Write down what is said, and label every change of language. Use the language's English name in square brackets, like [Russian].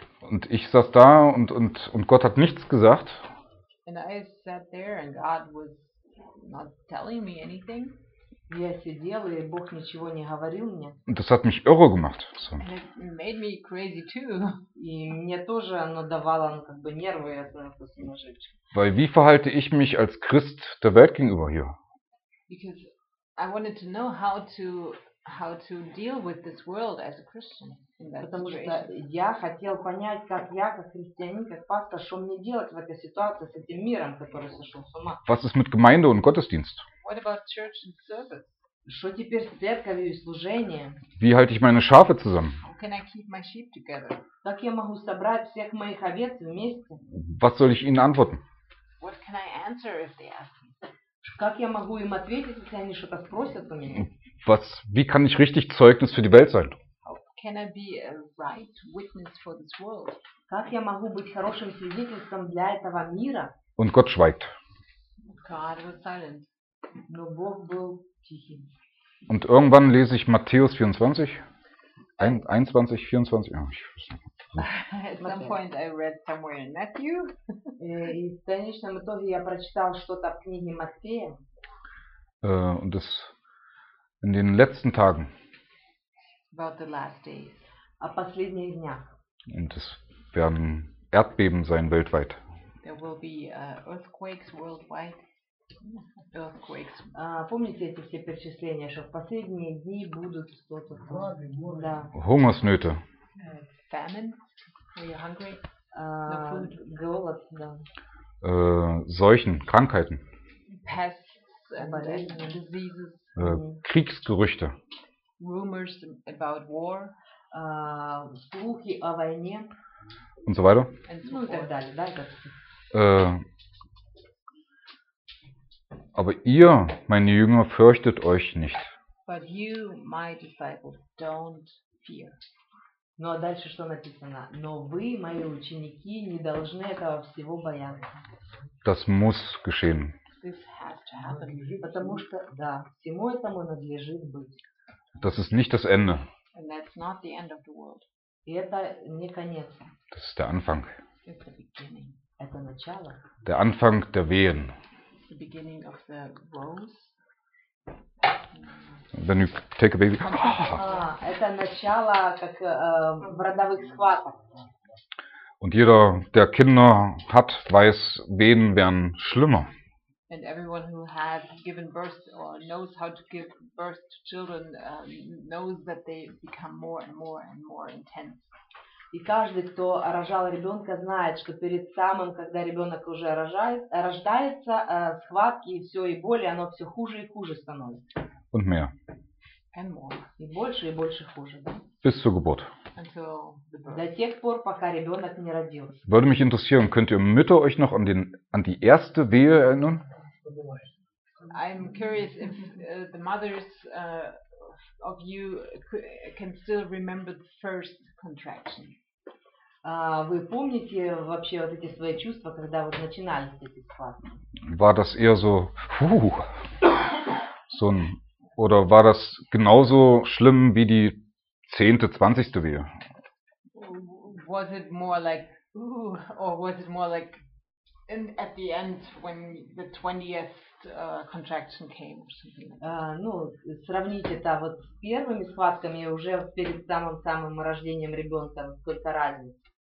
[German] Und ich saß da und Gott hat nichts gesagt. [English] And I sat there and God was not telling me anything. [Russian] Я сидел, и Бог ничего не говорил мне. [German] Und das hat mich irre gemacht. [English] So. And it made me crazy too. [Russian] И мне тоже оно давало как бы нервы. [German] Weil wie verhalte ich mich als Christ der Welt gegenüber hier? [English] Because I wanted to know how to deal with this world as a Christian. [Russian] Потому что я хотел понять, как я, как христианин, как пастор, что мне делать в этой ситуации с этим миром, который сошел с ума. [German] Was ist mit Gemeinde und Gottesdienst? [English] What about church and service? [Russian] Что теперь с церковью и служением? [German] Wie halte ich meine Schafe zusammen? [English] How can I keep my sheep together? [Russian] Как я могу собрать всех моих овец вместе? [German] Was soll ich ihnen antworten? [English] What can I answer if they ask me? [Russian] Как я могу им ответить, если они что-то спросят у меня? [German] Was, wie kann ich richtig Zeugnis für die Welt sein? [English] Can I be a right witness for this world? [Russian] Как я могу быть хорошим свидетельством для этого мира? [German] Und Gott schweigt. [English] God was silent. [Russian] Но Бог был тихим. [German] Und irgendwann lese ich Matthäus 24, 21, 24, ja, ich weiß nicht. [English] At some point I read somewhere in Matthew. [Russian] И в конечном итоге я прочитал что-то в книге Матфея. [German] Und das in den letzten Tagen. [English] About the last days. [Russian] О последних днях. [German] Und es werden Erdbeben sein weltweit. [English] There will be earthquakes worldwide. Earthquakes. [Russian] Помните эти все перечисления, что в последние дни будут что-то. [German] Да. Hungersnöte. [English] Famine. Are you hungry? Food. [Russian] Голод. Да. [German] Seuchen, Krankheiten. [English] Pests. And diseases. [German] Kriegsgerüchte. [English] Rumors about war. [Russian] Слухи о войне. [German] Und so weiter. [English] And so forth. [Russian] Далее, да, это... [German] Aber ihr, meine Jünger, fürchtet euch nicht. [English] But you, my disciples, don't fear. [Russian] Ну а дальше что написано? Но вы, мои ученики, не должны этого всего бояться. [German] Das muss geschehen. [English] This has to happen. [Russian] Потому что, да, всему этому надлежит быть. [German] Das ist nicht das Ende. [English] And that's not the end of the world. [Russian] И это не конец. [German] Das ist der Anfang. [English] It's the beginning. [Russian] Это начало. [German] Der Anfang der Wehen. [English] The beginning of the woes. Then you take a baby. [Russian] Это начало как в родовых схватках. [German] Und jeder, der Kinder hat, weiß, Wehen werden schlimmer. [English] And everyone who has given birth or knows how to give birth to children knows that they become more and more and more intense. [Russian] И каждый, кто рожал ребенка, знает, что перед самым, когда ребенок уже рождается, схватки и все, и боли, оно все хуже и хуже становится. [German] Und mehr. [English] And more. [Russian] И больше хуже, да? [German] Bis zur Geburt. [English] Until the birth. [Russian] До тех пор, пока ребенок не родился. [German] Würde mich interessieren, könnt ihr Mütter euch noch an die erste Wehe erinnern? [English] I'm curious if the mothers of you can still remember the first contraction. [Russian] Вы помните вообще вот эти свои чувства, когда вот начинались эти схватки? [German] War das eher so, so ein, oder war das genauso schlimm wie die 10., 20. Wehe? [English] Was it more like, or was it more like in, at the end when the 20th contraction came or something? [Russian] Ну, сравнить это вот с первыми схватками уже перед самым-самым рождением ребенка, сколько разница.